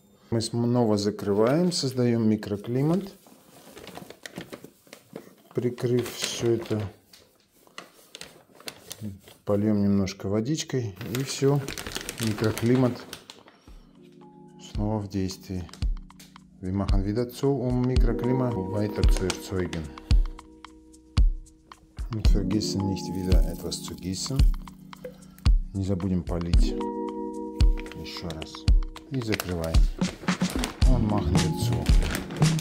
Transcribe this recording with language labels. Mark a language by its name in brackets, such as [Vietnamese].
[Russian] Мы снова закрываем, создаем микроклимат, прикрыв все это, польем немножко водичкой, и все, микроклимат снова в действии. [German] Wir machen wieder zu, Mikroklima weiter zu erzeugen. Und vergessen nicht wieder etwas zu gießen. [Russian] Не забудем полить. Еще раз. И закрываем. [German] Und machen wir zu.